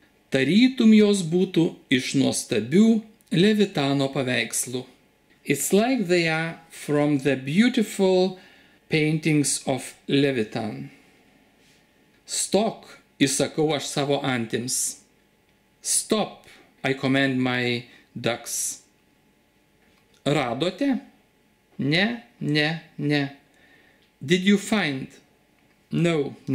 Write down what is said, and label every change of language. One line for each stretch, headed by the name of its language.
Lithuanian: Tarytum jos būtų iš nuostabių Levitano paveikslų.
English: It's like they are from the beautiful paintings of Levitan.
Lithuanian: Stok, įsakau aš savo antims.
English: Stop, I command my ducks.
Lithuanian: Radote? Ne.
English: Did you find? No.